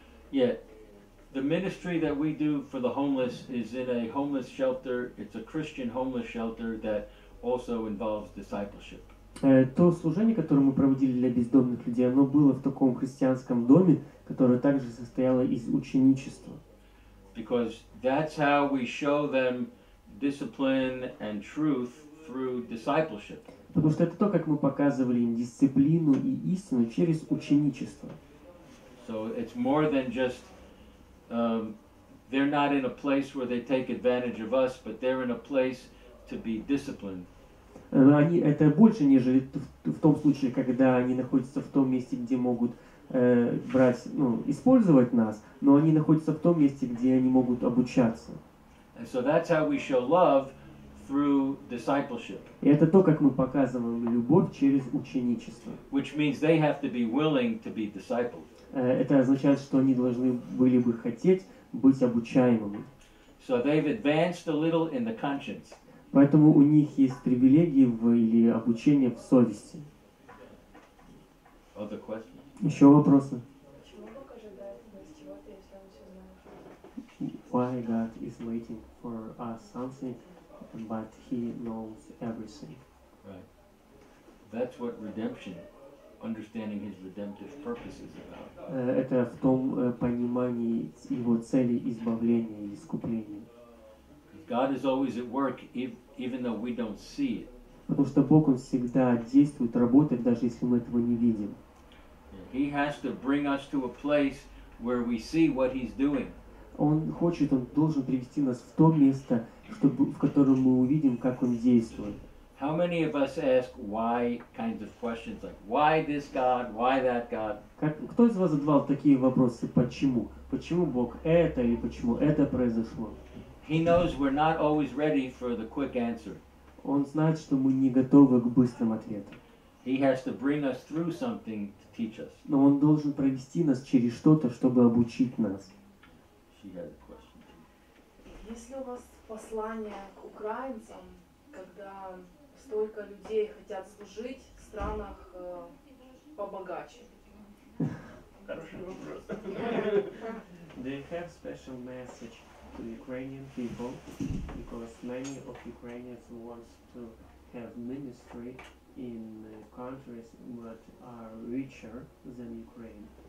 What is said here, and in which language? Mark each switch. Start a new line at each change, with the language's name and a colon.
English: Yeah, the ministry that we do for the homeless is in a homeless shelter. It's a Christian homeless shelter that also involves discipleship.
Russian: То служение, которое мы проводили для бездомных людей, оно было в таком христианском доме, которое также состояло из ученичества.
English: Because that's how we show them discipline and truth through discipleship.
Russian: Потому что это то, как мы показывали им дисциплину и истину через ученичество.
English: So it's more than just they're not in a place where they take advantage of us, but they're in a place to be disciplined.
Russian: Они это больше, нежели в том случае, когда они находятся в том месте, где могут брать, ну, использовать нас, но они находятся в том месте, где они могут обучаться.
English: And so that's how we show love through discipleship.
Russian: И это то, как мы показываем любовь через ученичество.
English: Which means they have to be willing to be discipled.
Russian: Это означает, что они должны были бы хотеть быть обучаемыми.
English: So they've advanced a little in the conscience.
Russian: Поэтому у них есть привилегии в, или обучение в совести.
English: Other questions?
Russian: Еще вопросы? Почему Бог ожидает нас чего-то, если Он все знает?
English: Why God is waiting for us something, but He knows everything? Right. That's what redemption is. Understanding his redemptive purposes about.
Russian: Это в том понимании его цели избавления и искупления.
English: God is always at work, even though we don't see it.
Russian: Потому что Бог, он всегда действует, работает, даже если мы этого не видим.
English: He has to bring us to a place where we see what he's doing.
Russian: Он хочет, он должен привести нас в то место, чтобы, в котором мы увидим, как он действует.
English: How many of us ask why kinds of questions, like why this God, why that God?
Russian: Кто из вас задавал такие вопросы, почему? Почему Бог это или почему это произошло?
English: He knows we're not always ready for the quick answer.
Russian: Он знает, что мы не готовы к быстрым ответам.
English: He has to bring us through something to teach us.
Russian: Но он должен провести нас через что-то, чтобы обучить нас.
English: She has a question.
Russian: Если у вас послание к украинцам, когда столько людей хотят служить в странах побогаче.
English: They have special message to Ukrainian people because many of Ukrainians want to have ministry in countries that are richer than Ukraine.